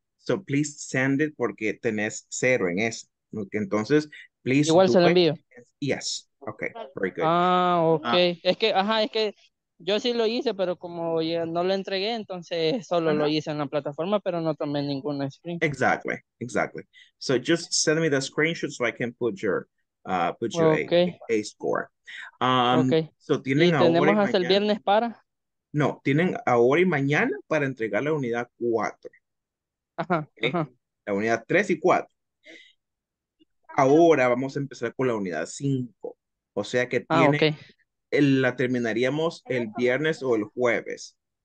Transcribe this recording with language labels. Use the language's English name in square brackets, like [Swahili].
[English] So please send it [Spanish] porque tenés 0 en eso. Entonces, please. Igual se lo envío. [English] Yes. Okay. Very good. Ah, okay. Ah. [Spanish] Es que yo sí lo hice, pero como ya no lo entregué, entonces solo lo hice en la plataforma, pero no tomé ninguna screen. [English] Exactly. So just send me the screenshot so I can put you a score. [Spanish] So tienen ahora y mañana. ¿Tenemos hasta el viernes para? No, tienen ahora y mañana para entregar la unidad 4. Ajá. La unidad 3 y 4. Ahora vamos a empezar con la unidad 5. O sea que la terminaríamos el viernes o el jueves.